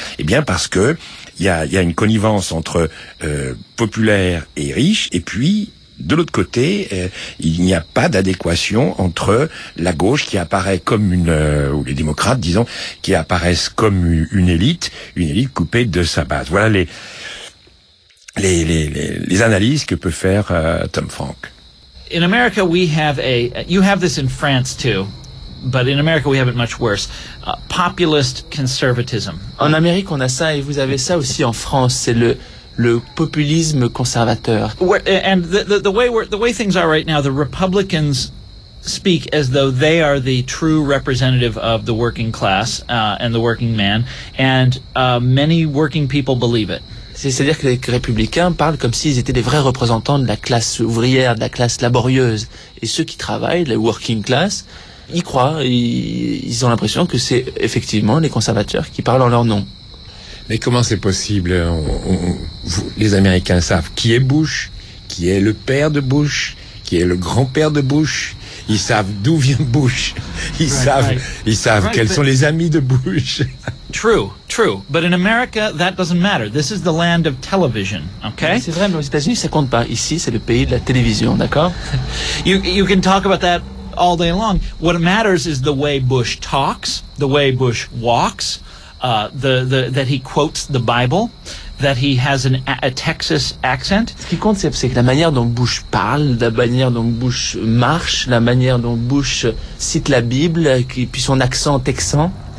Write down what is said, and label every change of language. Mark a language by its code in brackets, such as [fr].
[fr] Eh bien parce que il y a une connivence entre populaire et riche, et puis de l'autre côté, il n'y a pas d'adéquation entre la gauche qui apparaît comme ou les démocrates, disons, qui apparaissent comme une élite coupée de sa base. Voilà les analyses que peut faire Tom Frank. [en] In America, we have you have this in France too. But in America, we have it much worse. Populist conservatism. [fr] En Amérique, on a ça, et vous avez ça aussi en France. C'est le populisme conservateur. [en] And the way things are right now, the Republicans speak as though they are the true representative of the working class and the working man, and many working people believe it. [fr] C'est-à-dire que les républicains parlent comme s'ils étaient des vrais représentants de la classe ouvrière, de la classe laborieuse, et ceux qui travaillent, les working class. Ils croient, ils ont l'impression que c'est effectivement les conservateurs qui parlent en leur nom. Mais comment c'est possible? Les Américains savent qui est Bush, qui est le père de Bush, qui est le grand-père de Bush. Ils savent d'où vient Bush. Ils savent quels sont les amis de Bush. [en] True. But in America, that doesn't matter. This is the land of television, okay? [fr] C'est vrai, mais aux États-Unis, ça compte pas. Ici, c'est le pays de la télévision, d'accord? [en] You can talk about that all day long. What matters is the way Bush talks, the way Bush walks, that he quotes the Bible, that he has a Texas accent. [fr] Ce qui compte, c'est la manière dont Bush parle, la manière dont Bush marche, la manière dont Bush cite la Bible, puis son accent texan.